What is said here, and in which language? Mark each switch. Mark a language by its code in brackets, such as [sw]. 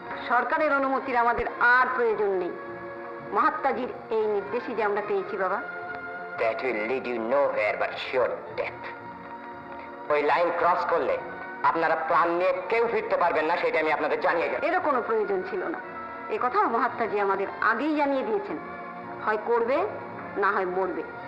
[bn] সরকারের অনুমতির আমাদের আর প্রয়োজন নেই, মহাত্মাজির এই নির্দেশই যে আমরা পেয়েছি বাবা। [en] That will lead you nowhere but sure death. [bn] ওই লাইন ক্রস করলে আপনারা প্রাণ নিয়ে কেউ ফিরতে পারবেন না, সেটা আমি আপনাদের জানিয়ে দিই। এর কোনো প্রয়োজন ছিল না, এ কথাও মহাত্মাজি আমাদের আগেই জানিয়ে দিয়েছেন, হয় করবে না হয় মরবে।